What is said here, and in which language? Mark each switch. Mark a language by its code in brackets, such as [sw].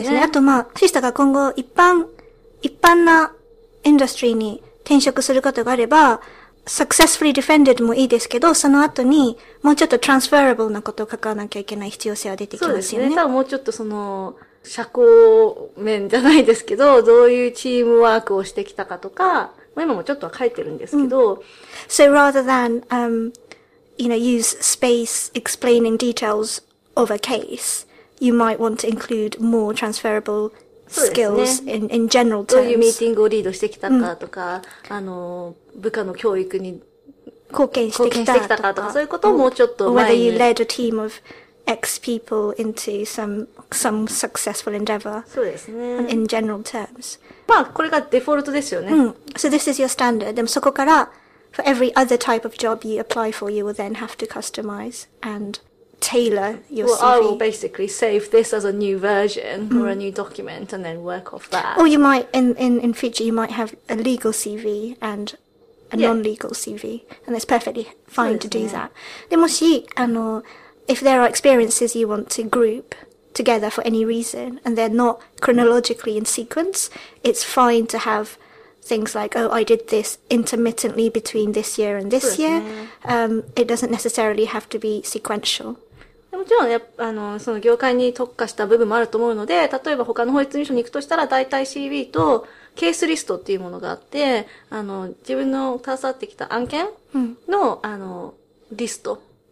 [ja] そうですね。あとまあ、シスタが今後一般なインダストリーに転職することがあれば、 [en] successfully defended [ja] もいいですけど、その後にもうちょっと transferable なことを書かなきゃいけない必要性は出てきますよね。そうですね。多分もうちょっとその、社交面じゃないですけど、どういうチームワークをしてきたかとか、まあ、今もちょっとは書いてるんですけど、うん、 [en] So rather than, you know, use space explaining details of a case, you might want to include more transferable skills、 [ja] ね、 [en] in general terms. [ja] どういうミーティングをリードしてきたかとか、うん、部下の教育に貢献してきたかとか、そういうことをもうちょっと前に。 [en] Whether you led a team of X people into some successful endeavor. [ja] そうですね。 [en] In general terms. [ja] まあ、これがデフォルトですよね。うん。 [en] So this is your standard. [ja] でもそこから、 [en] for every other type of job you apply for, you will then have to customize and tailor your CV. Well, I will basically save this as a new version、mm. or a new document and then work off that. Or you might, in future, you might have a legal CV and a、yeah. non-legal CV. And it's perfectly fine to do、 [ja] ね、 [en] that. [ja] でもし、 [en] if there are experiences you want to group together for any reason and they're not chronologically in sequence, it's fine to have things like, oh, I did this intermittently between this year and this year.、 [ja] ね、 [en] it doesn't necessarily have to be sequential. [ja] もちろん、ね、その業界に特化した部分もあると思うので、例えば他の法律事務所に行くとしたら、だいたい CV とケースリストっていうものがあって、自分の携わってきた案件の、うん、リスト。